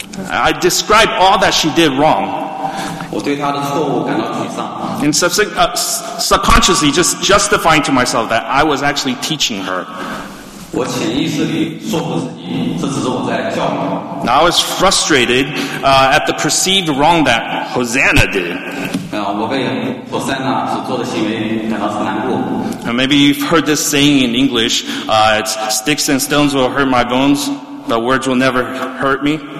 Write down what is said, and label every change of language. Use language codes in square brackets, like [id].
[en] I described all that she did wrong. [zh] 我对她的错误感到沮丧。 [en] And subconsciously, just justifying to myself that I was actually teaching her. [zh] 我潜意识里说服自己，这只是我在教育。 [en] Now I was frustrated at the perceived wrong that Hosanna did. [zh] 我被Hosanna所做的行为感到难过。 [en] And maybe you've heard this saying in English, it's sticks and stones will hurt my bones, but words will never hurt me.